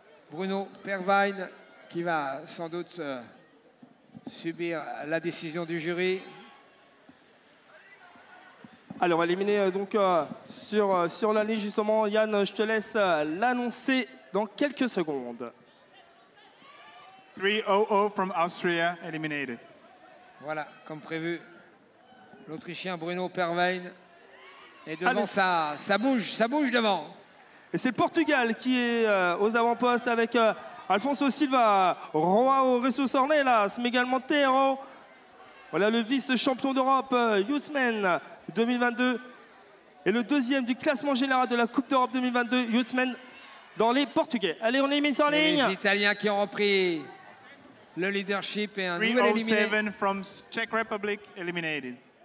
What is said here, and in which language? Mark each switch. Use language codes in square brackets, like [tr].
[fr] Bruno Perwein qui va sans doute subir la décision du jury. Allez, on va éliminer donc sur la ligne justement. Yann, je te laisse l'annoncer dans quelques secondes. [en] 3-0-0 from Austria eliminated. [fr] Voilà, comme prévu, l'Autrichien Bruno Perwein est devant. Allez. ça bouge devant. Et c'est le Portugal qui est aux avant-postes avec Alfonso Silva, Roao Resusornelas, mais également Teiro. Voilà le vice-champion d'Europe, Yusmen 2022. Et le deuxième du classement général de la Coupe d'Europe 2022, Yusmen, dans les Portugais. Allez, on est mis en ligne. Les Italiens qui ont repris le leadership et un nouvel éliminé. [en] 307 from Czech Republic eliminated.